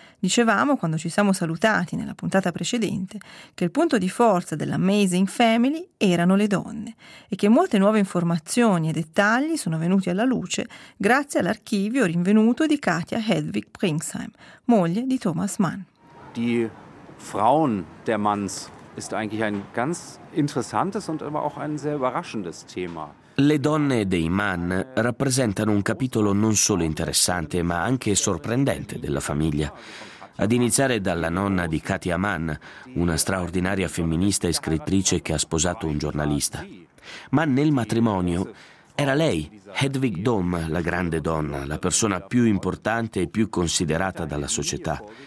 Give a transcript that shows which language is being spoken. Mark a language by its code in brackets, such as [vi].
[it] Dicevamo, quando ci siamo salutati nella puntata precedente, che il punto di forza dell'Amazing Family erano le donne e che molte nuove informazioni e dettagli sono venuti alla luce grazie all'archivio rinvenuto di Katja Hedwig Pringsheim, moglie di Thomas Mann. [de] Die Frauen der Manns ist eigentlich ein ganz interessantes und aber auch ein sehr überraschendes Thema. [it] Le donne dei Mann rappresentano un capitolo non solo interessante, ma anche sorprendente della famiglia. Ad iniziare dalla nonna di Katja Mann, una straordinaria femminista e scrittrice che ha sposato un giornalista. Ma nel matrimonio era lei, Hedwig Dom, la grande donna, la persona più importante e più considerata dalla società.